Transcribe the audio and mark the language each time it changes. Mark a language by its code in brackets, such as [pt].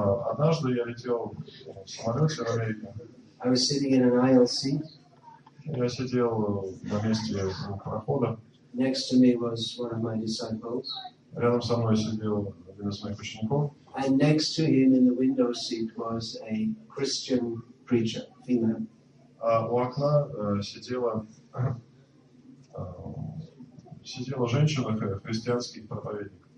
[ru] Однажды я летел в самолете в Америке. [en] I was sitting in an aisle seat. [ru] Я сидел на месте прохода. [en] Next to me was one of my disciples. [ru] Рядом со мной сидел один из моих учеников. [en] And next to him in the window seat was a Christian preacher, female. [ru] У окна сидела женщина, христианский проповедник.